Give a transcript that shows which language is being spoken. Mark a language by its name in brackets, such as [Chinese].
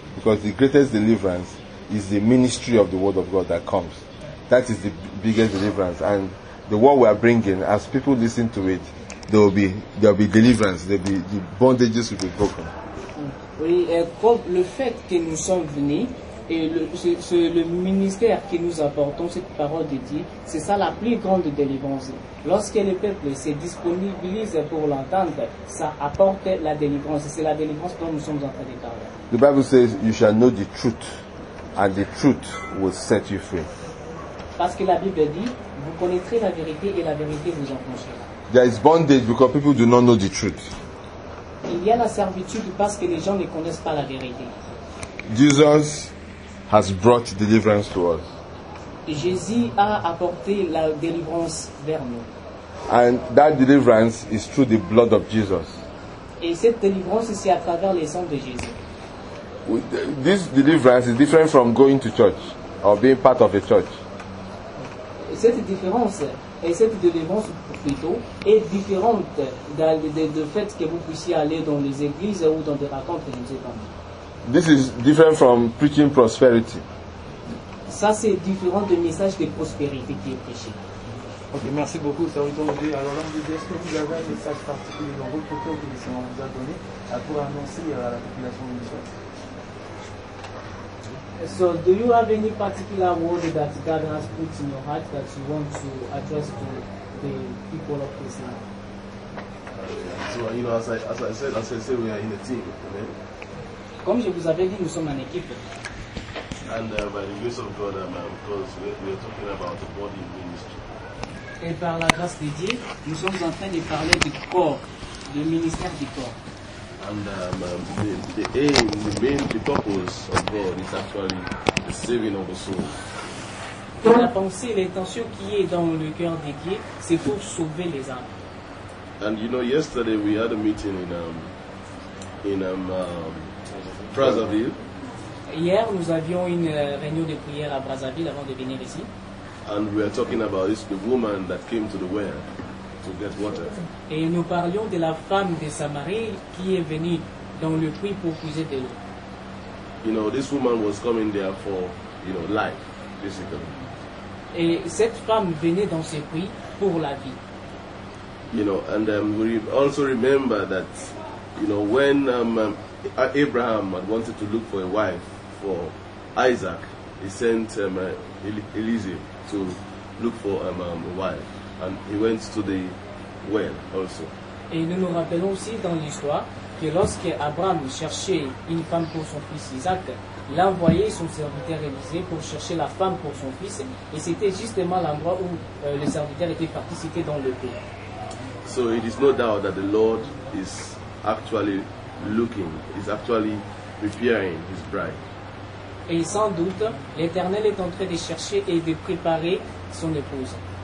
[English] Because the greatest deliverance is the ministry of the word of God that comes. That is the biggest deliverance. And the word we are bringing, as people listen to it, there will be deliverance. The bondages will be broken. [French] Oui, le fait que nous sommes venus et le ministère que nous apportons cette parole de Dieu, c'est ça la plus grande délivrance. Lorsque le peuple se disponibilise pour l'entendre, ça apporte la délivrance. C'est la délivrance dont nous sommes en train de parler. [English] The Bible says, "You shall know the truth, and the truth will set you free." [French] Parce que la Bible dit, vous connaîtrez la vérité et la vérité vous enfoncera. [English] There is bondage because people do not know the truth. [French] Il y a la servitude parce que les gens ne connaissent pas la vérité. [English] Jesus has brought deliverance to us. [French] Jésus a apporté la délivrance vers nous. [English] And that deliverance is through the blood of Jesus. [French] Et cette délivrance c'est à travers le sang de Jésus. [English] This deliverance is different from going to church or being part of a church. [French] Cette différence et cette délivrance plutôt est différente de fait que vous puissiez aller dans les églises ou dans des rencontres religieuses. [English] This is different from preaching prosperity. [French] Ça c'est différent du message de prospérité qui est prêché. Ok, merci beaucoup. Ça vous donne. Alors, l'homme de Dieu, est-ce que vous avez un message particulier dans votre cœur que le Seigneur vous a donné pour annoncer à la population de l'Église? [English] So, do you have any particular word that God has put in your heart that you want to address to the people of this land? So, you know, as I said, we are in a team. Amen. [French] Comme je vous avais dit, nous sommes en équipe. [English] And by the grace of God, because we are talking about the body ministry. [French] Et par la grâce de Dieu, nous sommes en train de parler du corps, du ministère du corps. [English] And the purpose of God is actually the saving of the soul. [French] Et la pensée, l'intention qui est dans le cœur de Dieu, c'est pour sauver les âmes. [English] And you know, yesterday we had a meeting in Brazzaville. [French] Hier, nous avions une réunion de prière à Brazzaville avant de venir ici. [English] And we are talking about this, the woman that came to the well to get water. [French] Et nous parlions de la femme de Samarie qui est venue dans le puits pour puiser de l'eau. [English] You know, this woman was coming there for, you know, life, basically. [French] Et cette femme venait dans ce puits pour la vie. [English] You know, and we also remember that, you know, when Abraham had wanted to look for a wife for Isaac, he sent Eliezer to look for a wife, and he went to the well also. [French] Et nous nous rappelons aussi dans l'histoire que lorsque Abraham cherchait une femme pour son fils Isaac, il envoyait son serviteur Élisée pour chercher la femme pour son fils, et c'était justement l'endroit où le serviteur était parti, c'était dans le pays. [English] So it is no doubt that the Lord is actually looking, is actually preparing his bride. [French] Et sans doute, l'Éternel est en train de chercher et de préparer son épouse.